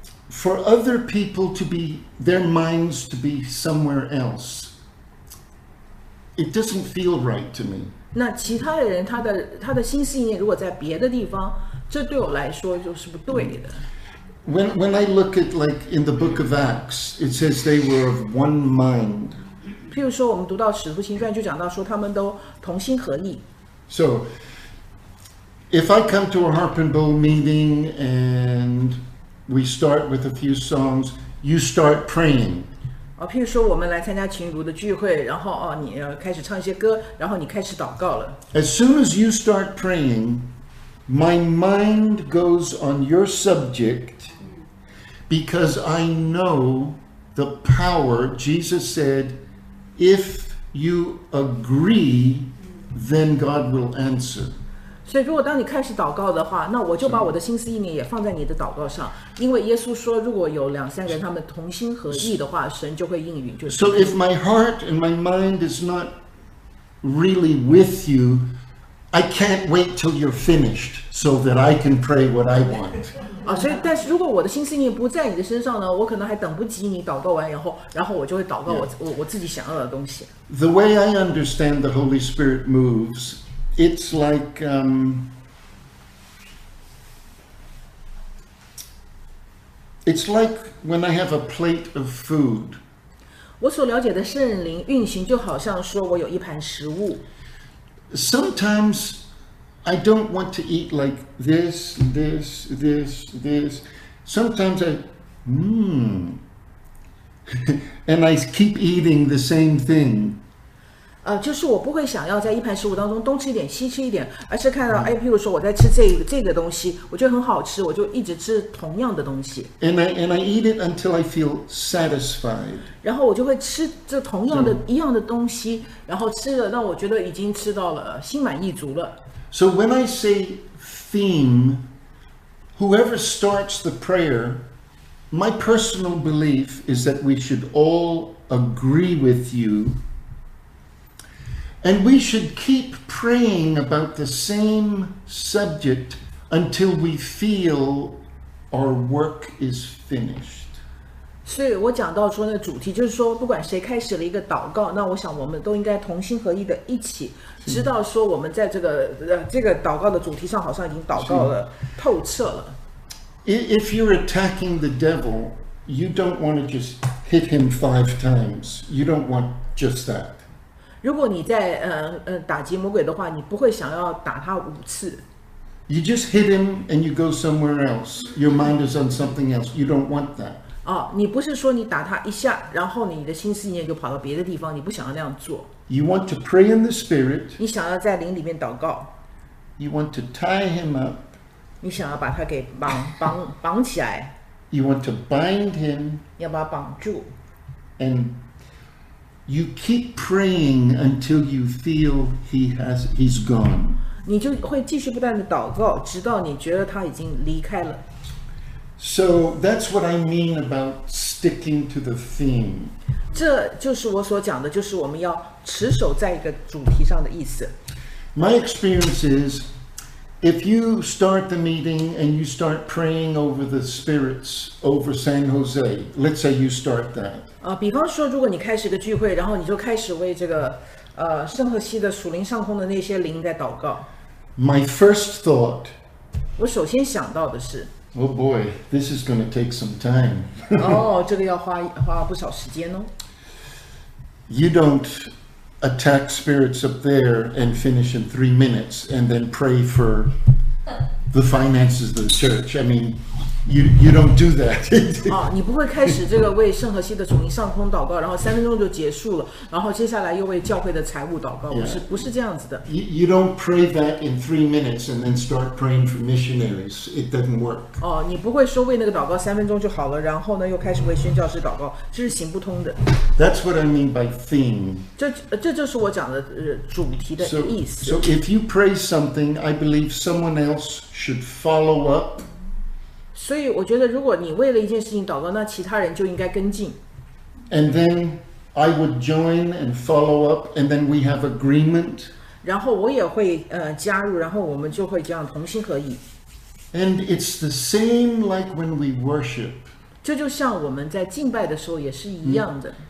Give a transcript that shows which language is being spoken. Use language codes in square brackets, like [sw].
[en] for other people to be, their minds to be somewhere else, it doesn't feel right to me. [zh] 那其他的人他的心思意念如果在别的地方，这对我来说就是不对的。 [en] When I look at like in the book of Acts, it says they were of one mind. [zh] 譬如说我们读到《使徒行传》就讲到说他们都同心合意。 [en] So if I come to a harp and bow meeting and we start with a few songs, you start praying. [zh] 譬如说我们来参加情如的聚会，然后你开始唱一些歌，然后你开始祷告了。 [en] As soon as you start praying, my mind goes on your subject because I know the power. Jesus saidIf you agree, then God will answer. [zh] 所以如果当你开始祷告的话，那我就把我的心思意念也放在你的祷告上，因为耶稣说如果有两三个人他们同心合意的话，神就会应允。 [en] So if my heart and my mind is not really with you, I can't wait till you're finished so that I can pray what I want. [zh] 所以但是如果我的心思意念不在你的身上呢，我可能还等不及你祷告完以后，然后我就会祷告 我自己想要的东西。 [en] The way I understand the Holy Spirit moves, it's like, it's like when I have a plate of food. [zh] 我所了解的圣灵运行就好像说我有一盘食物。 [en] Sometimes I don't want to eat like this, this, this, this. Sometimes I, and I keep eating the same thing. [zh] 就是我不会想要在一盘食物当中东吃一点西吃一点，而是看到譬如说我在吃这个东西，我觉得很好吃，我就一直吃同样的东西。 [en] And I eat it until I feel satisfied. [zh] 然后我就会吃这同样的一样的东西，然后吃了让我觉得已经吃到了心满意足了。 [en] So when I say theme, whoever starts the prayer, my personal belief is that we should all agree with you. And we should keep praying about the same subject until we feel our work is finished. [zh] 所以我讲到说那主题就是说不管谁开始了一个祷告，那我想我们都应该同心合意的一起知道说我们在这个祷告的主题上好像已经祷告了透彻了。 [en] If you're attacking the devil, you don't want to just hit him five times. You don't want just that. [zh] 如果你在打击魔鬼的话，你不会想要打他五次。 [en] You just hit him and you go somewhere else. Your mind is on something else. You don't want that. [zh] 你不是说你打他一下，然后你的心思意念就跑到别的地方，你不想要那样做。 [en] You want to pray in the spirit. [zh] 你想要在灵里面祷告。 [en] You want to tie him up. [zh] 你想要把他给绑起来。 [en] You want to bind him. [zh] 你要把他绑住。 [en] And. You keep praying until you feel he's gone. [zh] 你就会继续不断的祷告，直到你觉得他已经离开了。 [en] So that's what I mean about sticking to the theme. [zh] 这就是我所讲的，就是我们要持守在一个主题上的意思。 [en] My experience is, if you start the meeting and you start praying over the spirits over San Jose, let's say you start that. [zh] 比方说，如果你开始一个聚会，然后你就开始为这个圣赫西的属灵上空的那些灵在祷告。 [en] My first thought. [zh] 我首先想到的是。 [en] Oh boy, this is going to take some time. [zh] 这个要花不少时间哦。 [en] You don't attack spirits up there and finish in 3 minutes and then pray for the finances of the church. I mean, you don't do that. [zh] 你不会开始这个为圣何西的属灵上空祷告，然后三分钟就结束了，然后接下来又为教会的财务祷告，不是这样子的。 [en] You don't pray that in 3 minutes and then start praying for missionaries. It doesn't work. [zh] 你不会说为那个祷告三分钟就好了，然后呢又开始为宣教士祷告，这是行不通的。 [en] That's what I mean by theme. [zh] 这就是我讲的主题的意思。 [en] So if you pray something, I believe someone else should follow up. [zh] 所以我觉得如果你为了一件事情祷告，那其他人就应该跟进。 [en] And then I would join and follow up, and then we have agreement. [zh] 然后我也会加入，然后我们就会这样同心合意。 [en] And it's the same like when we worship. [zh] 这就像我们在敬拜的时候也是一样的。